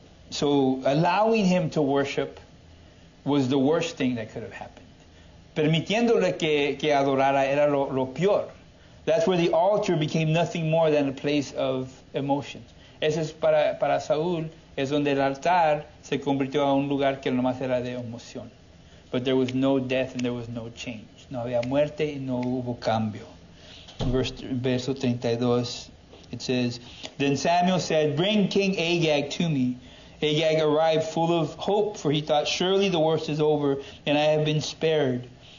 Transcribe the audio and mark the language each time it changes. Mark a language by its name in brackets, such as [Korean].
[English] So allowing him to worship was the worst thing that could have happened. [Spanish] Permitiéndole que adorara era lo peor. [English] That's where the altar became nothing more than a place of emotions. [Spanish] Ese es para Saúl, es donde el altar se convirtió a un lugar que nomás era de emoción. [English] But there was no death and there was no change. [Spanish] No había muerte y no hubo cambio. [English] Verso 32, it says, then Samuel said, bring King Agag to me. Agag arrived full of hope, for he thought, surely the worst is over and I have been spared.